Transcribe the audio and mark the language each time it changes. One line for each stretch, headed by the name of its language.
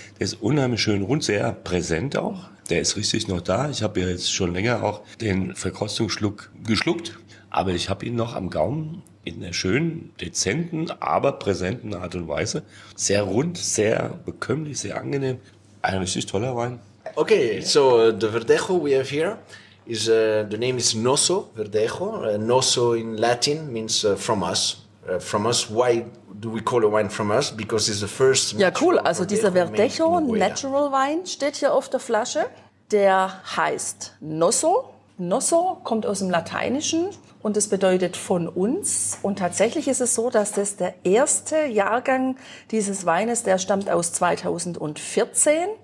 German: Der ist unheimlich schön rund, sehr präsent auch. Der ist richtig noch da. Ich habe ja jetzt schon länger auch den Verkostungsschluck geschluckt. Aber ich habe ihn noch am Gaumen in einer schönen, dezenten, aber präsenten Art und Weise. Sehr rund, sehr bekömmlich, sehr angenehm. Ein richtig toller Wein.
English: Okay, so the Verdejo we have here, is the name is Nosso Verdejo. Nosso in Latin means from us. From us, why do we call a wine from us? Because it's the first...
German: Ja, cool, also dieser Verdejo, natural wine, steht hier auf der Flasche. Der heißt Nosso. Nosso kommt aus dem Lateinischen und es bedeutet von uns. Und tatsächlich ist es so, dass das der erste Jahrgang dieses Weines, der stammt aus 2014.